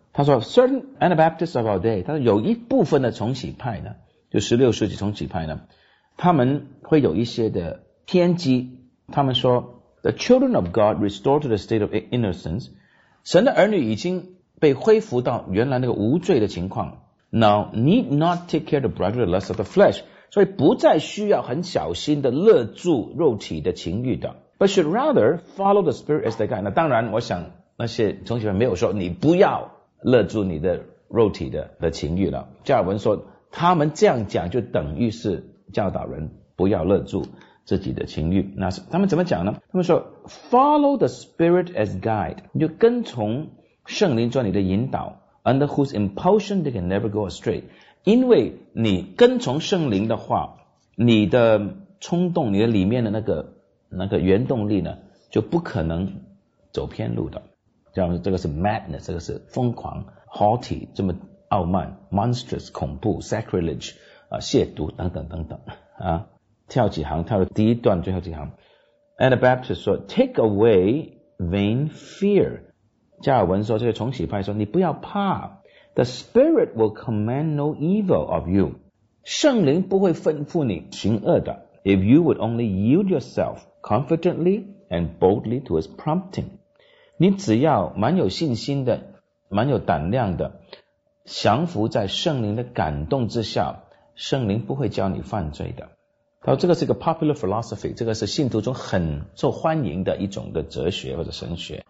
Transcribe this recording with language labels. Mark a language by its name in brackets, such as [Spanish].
[Chinese] 他说 [English] Certain Anabaptists of our day， [Chinese] 他说有一部分的重洗派呢，就16世纪重洗派呢，他们会有一些的偏激，他们说 [English] The children of God restored to the state of innocence， [Chinese] 神的儿女已经被恢复到原来那个无罪的情况。 [English] Now need not take care of the brother the lust of the flesh， [Chinese] 所以不再需要很小心的勒住肉体的情欲的。 [English] But should rather follow the spirit as the guide。 [Chinese] 那当然我想那些重洗派没有说你不要勒住你的肉体 的情欲了。加尔文说他们这样讲就等于是教导人不要勒住自己的情欲。那他们怎么讲呢？他们说 [English] Follow the spirit as guide， [Chinese] 你就跟从圣灵做你的引导， [English] Under whose impulsion they can never go astray， [Chinese] 因为你跟从圣灵的话，你的冲动，你的里面的那个原动力呢，就不可能走偏路的。这个是 madness， 这个是疯狂 haughty， 这么傲慢 monstrous 恐怖 sacrilege 亵渎等等等等啊。跳几行，跳了第一段最后几行。Anabaptist 说 [English] Take away vain fear， [Chinese] 加尔文说这个重洗派说你不要怕。 [English] The spirit will command no evil of you， [Chinese] 圣灵不会吩咐你行恶的。 [English] If you would only yield yourself confidently and boldly to his prompting， [Chinese] 你只要蛮有信心的，蛮有胆量的，降服在圣灵的感动之下，圣灵不会教你犯罪的。然后这个是一个 popular philosophy， 这个是信徒中很受欢迎的一种的哲学或者神学。